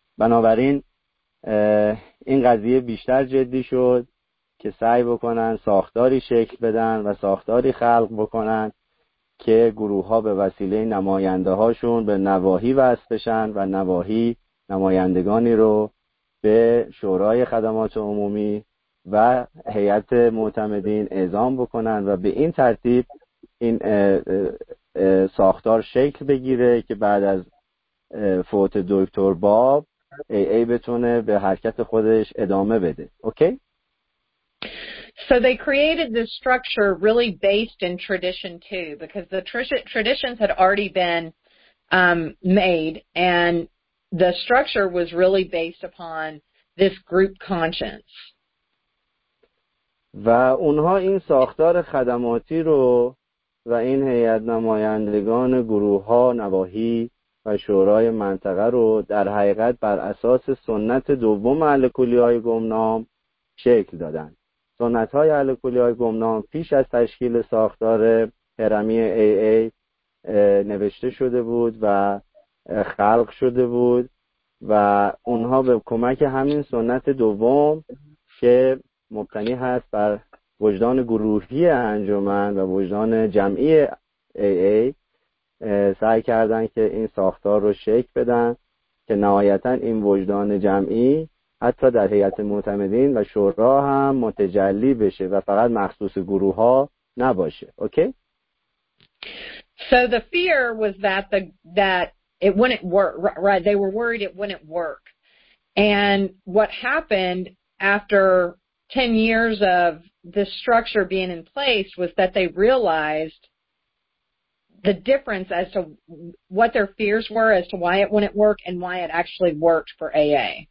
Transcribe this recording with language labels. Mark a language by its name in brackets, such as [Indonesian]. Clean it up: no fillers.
[Persian] بنابراین این قضیه بیشتر جدی شد که سعی بکنن ساختاری شکل بدن و ساختاری خلق بکنن که گروه ها به وسیله نماینده هاشون به نواحی وصل بشن و نواحی نمایندگانی رو به شورای خدمات عمومی و هیئت معتمدین اعزام بکنن و به این ترتیب این ساختار شکل بگیره که بعد از فوت دکتر باب AA بتونه به حرکت خودش ادامه بده. [English] Okay? So they created this structure really based in tradition too, because the traditions had already been made and the structure was really based upon this group conscience. [Persian] و اونها این ساختار خدماتی رو و این هیئت نمایندگان گروه ها، نواحی و شورای منطقه رو در حقیقت بر اساس سنت دوم الکلی های گمنام شکل دادن. سنت های الکلی های گمنام پیش از تشکیل ساختار هرمی AA نوشته شده بود و خلق شده بود و اونها به کمک همین سنت دوم که مبتنی هست بر وجدان گروهی انجمن و وجدان جمعی AA سعی کردن که این ساختار رو شکل بدن که نهایتاً این وجدان جمعی حتی در هیئت معتمدین و شورا هم متجلی بشه و فقط مخصوص گروه ها نباشه. [English] Okay? So the fear was that it wouldn't work, right? They were worried it wouldn't work. And what happened after 10 years of this structure being in place was that they realized the difference as to what their fears were as to why it wouldn't work and why it actually worked for AA.